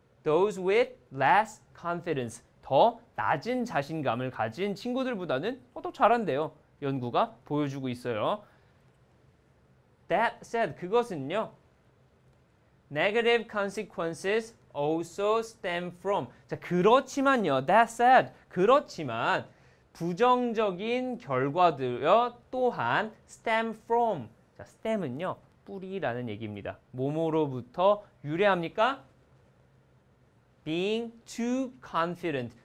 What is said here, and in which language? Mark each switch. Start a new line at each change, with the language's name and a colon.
English: those with less confidence.
Korean: 더 낮은 자신감을 가진 친구들보다는 더 잘한대요. 연구가 보여주고 있어요.
English: That said,
Korean: 그것은요,
English: negative consequences also stem from.
Korean: 자, 그렇지만요,
English: that said,
Korean: 그렇지만, 부정적인 결과들요, 또한
English: stem from.
Korean: 자, stem은요, 뿌리라는 얘기입니다. 뭐뭐로부터 유래합니까?
English: Being too confident.